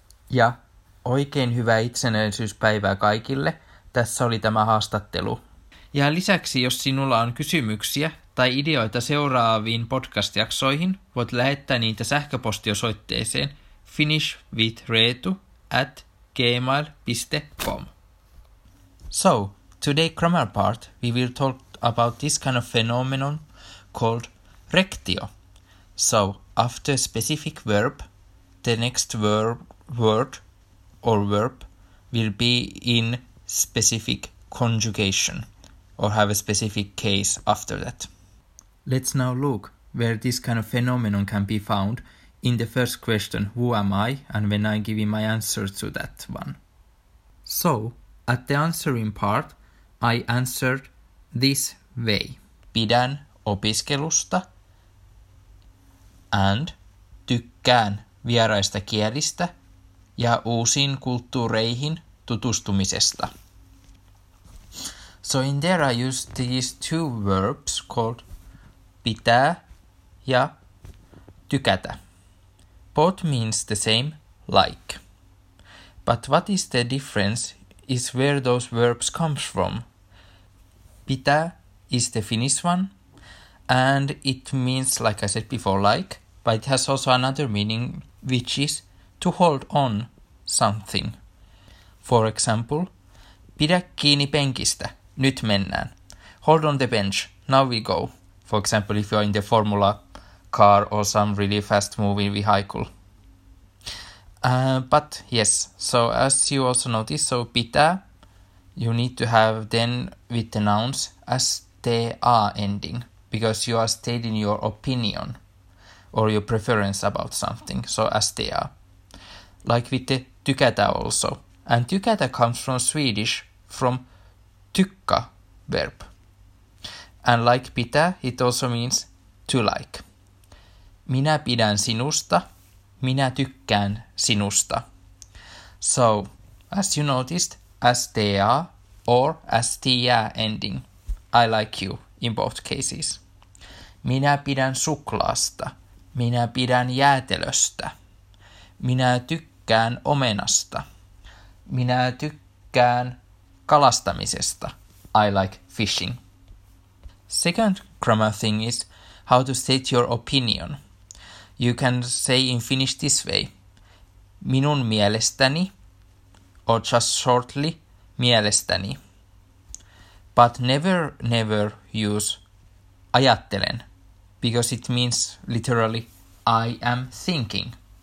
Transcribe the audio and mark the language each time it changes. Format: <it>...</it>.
<fi>Ja oikein hyvää itsenäisyyspäivää kaikille. Tässä oli tämä haastattelu. Ja lisäksi, jos sinulla on kysymyksiä tai ideoita seuraaviin podcast-jaksoihin, voit lähettää niitä sähköpostiosoitteeseen finishwithreetu@gmail.com.</fi> <en>So, today grammar part, we will talk about this kind of phenomenon called rectio. So, after a specific verb, the next word or verb will be in specific conjugation or have a specific case after that. Let's now look where this kind of phenomenon can be found in the first question, who am I, and when I give my answer to that one. So, at the answering part, I answered this way.</en> <fi>Pidän opiskelusta. And tykkään vieraista kielistä ja uusiin kulttuureihin tutustumisesta.</fi> <en>So in there I used these two verbs called pitää ja tykätä. Both means the same, like. But what is the difference is where those verbs comes from. Pitää is the Finnish one and it means, like I said before, like. but it has also another meaning, which is to hold on something. For example,</en> <fi>pidä kiinni penkistä, nyt mennään.</fi> <en>Hold on the bench, now we go. For example, if you're in the Formula car or some really fast-moving vehicle. But yes, so as you also notice, so pitää, you need to have then with the nouns as ta ending, because you are stating your opinion or your preference about something, so as ta. Like with the tykätä also. And tykätä comes from Swedish, from tykka verb. And like pitää, it also means to like.</en> <fi>Minä pidän sinusta. Minä tykkään sinusta.</fi> <en>So, as you noticed, STA or STA ending. I like you in both cases.</en> <fi>Minä pidän suklaasta. Minä pidän jäätelöstä. Minä tykkään omenasta. Minä tykkään kalastamisesta.</fi> <en>I like fishing. Second grammar thing is how to state your opinion. You can say in Finnish this way,</en> <fi>minun mielestäni,</fi> <en>or just shortly, mielestäni. But never, never use ajattelen, because it means literally, I am thinking.</en>